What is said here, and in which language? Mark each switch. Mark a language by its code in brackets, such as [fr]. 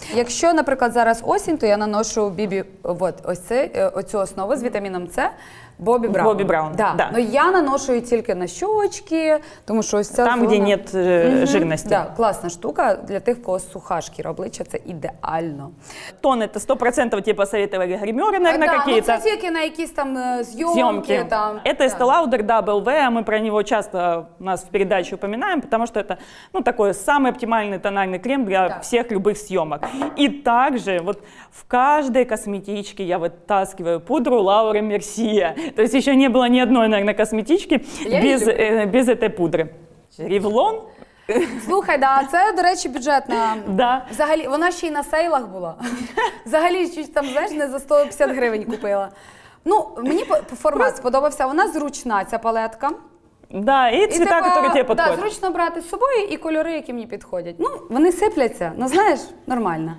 [uk] Якщо, наприклад, зараз осінь, то я наношу бібі, от, ось це, оцю основу з вітаміном С. Бобі Браун. Бобі Браун. Да. Да. Но я наношу її тільки на щочки, тому що ось ця [ru] там, де нет жирності. [uk] Да, класна штука для тих, у кого суха шкіра обличчя, це ідеально. [ru] Тони, то 100% тебе посоветували гримери, наверное, да, какие-то. [uk] Ну, це тільки на якісь там зйомки. Там. [ru] Это да. [uk] Estée Lauder W, а ми про нього часто у нас в передачі упоминаємо, потому що це, ну, [ru] такой самый оптимальный тональный крем [uk] для всіх любых зйомок. [ru] І также вот в каждой косметичке я вытаскиваю пудру Laura Mercier. То есть еще не было ни одной, наверное, косметички без этой пудры. Ревлон. [uk] Слухай, да, це, до речі, бюджетна. Да. Взагалі, вона ще й на сейлах була. Взагалі, чуть там, знаєш, не за 150 гривень купила. Ну, мені формат сподобався, вона зручна, ця палетка. Да, і цвіта, які тобі підходять. Да, зручно брати з собою і кольори, які мені підходять. Ну, вони сипляться, ну, знаєш, нормально.